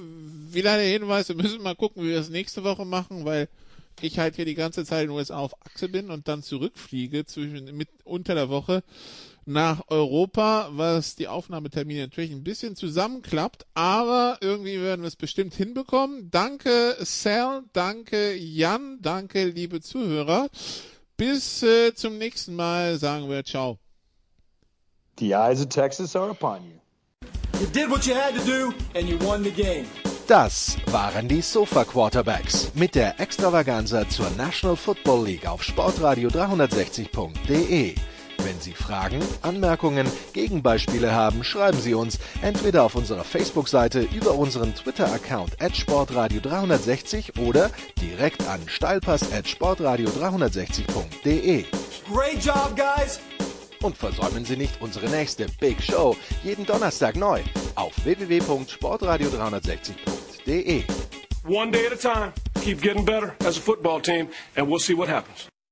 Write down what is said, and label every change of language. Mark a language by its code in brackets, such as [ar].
[de] Wieder der Hinweis, wir müssen mal gucken, wie wir es nächste Woche machen, weil ich halt hier die ganze Zeit in den USA auf Achse bin und dann zurückfliege unter der Woche nach Europa, was die Aufnahmetermine natürlich ein bisschen zusammenklappt, aber irgendwie werden wir es bestimmt hinbekommen. Danke Sal, danke Jan, danke liebe Zuhörer. Bis zum nächsten Mal sagen wir ciao. [en] The eyes of Texas are upon you. You did what you had to do and you won the game. [de] Das waren die Sofa Quarterbacks mit der Extravaganza zur National Football League auf sportradio360.de. Wenn Sie Fragen, Anmerkungen, Gegenbeispiele haben, schreiben Sie uns entweder auf unserer Facebook-Seite über unseren Twitter-Account @sportradio360 oder direkt an steilpass@sportradio360.de. [en] Great job, guys! [de] Und versäumen Sie nicht unsere nächste Big Show jeden Donnerstag neu auf www.sportradio360.de. [en] One day at a time, keep getting better as a football team, and we'll see what happens.